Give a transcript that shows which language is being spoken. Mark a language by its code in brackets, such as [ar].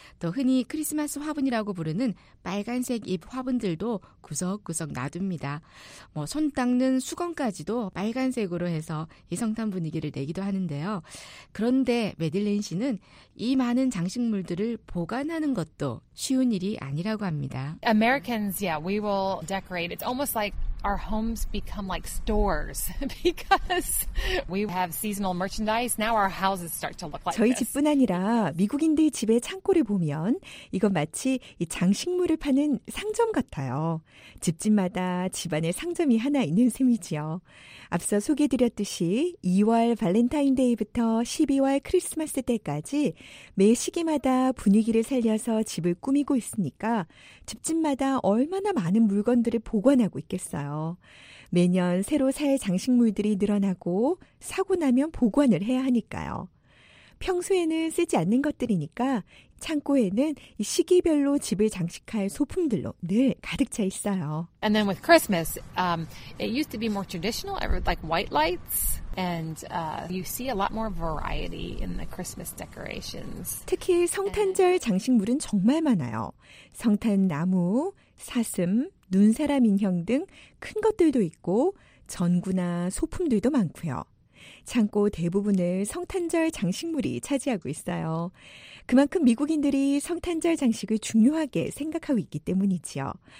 [ko] 또 흔히 크리스마스 화분이라고 부르는 빨간색 잎 화분들도 구석구석 놔둡니다. 뭐 손 닦는 수건까지도 빨간색으로 해서 이 성탄 분위기를 내기도 하는데요. 그런데 메들렌 씨는 이 많은 장식물들을 보관하는 것도 쉬운 일이 아니라고 합니다. [en] Americans, yeah, we will decorate. It's almost like our homes become like stores because we have seasonal merchandise. Now our houses start to look like [ko] 저희 집뿐 아니라 미국인들 집의 창고를 보면 이건 마치 이 장식물을 파는 상점 같아요. 집집마다 집안에 상점이 하나 있는 셈이지요. 앞서 소개해드렸듯이 2월 발렌타인데이부터 12월 크리스마스 때까지 매 시기마다 분위기를 살려서 집을 꾸미고 있으니까 집집마다 얼마나 많은 물건들을 보관하고 있겠어요. 매년 새로 살 장식물들이 늘어나고 사고 나면 보관을 해야 하니까요. 평소에는 쓰지 않는 것들이니까 창고에는 시기별로 집을 장식할 소품들로 늘 가득 차 있어요. [en] And then with Christmas, it used to be more traditional, like white lights, and you see a lot more variety in the Christmas decorations. [ko] 특히 성탄절 장식물은 정말 많아요. 성탄 나무, 사슴, 눈사람 인형 등 큰 것들도 있고 전구나 소품들도 많고요. 창고 대부분을 성탄절 장식물이 차지하고 있어요. 그만큼 미국인들이 성탄절 장식을 중요하게 생각하고 있기 때문이지요.